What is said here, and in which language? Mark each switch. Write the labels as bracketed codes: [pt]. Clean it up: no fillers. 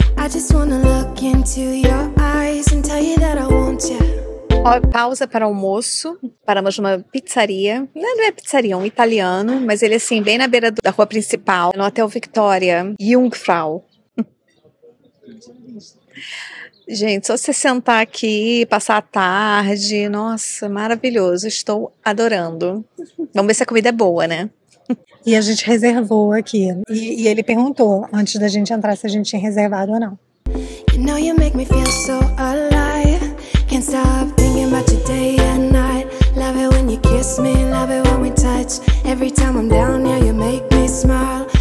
[en] I just wanna look into your eyes and tell you that I want you. [pt] Pausa para almoço, paramos numa pizzaria, não é pizzaria, é um italiano, mas ele assim, bem na beira da rua principal, no Hotel Victoria, Jungfrau. Gente, só você sentar aqui, passar a tarde, nossa, maravilhoso, estou adorando. Vamos ver se a comida é boa, né? E a gente reservou aqui, e ele perguntou antes da gente entrar se a gente tinha reservado ou não. [en] You know you make me feel so alive. Can't stop thinking about you day and night. Love it when you kiss me, love it when we touch. Every time I'm down here, you make me smile.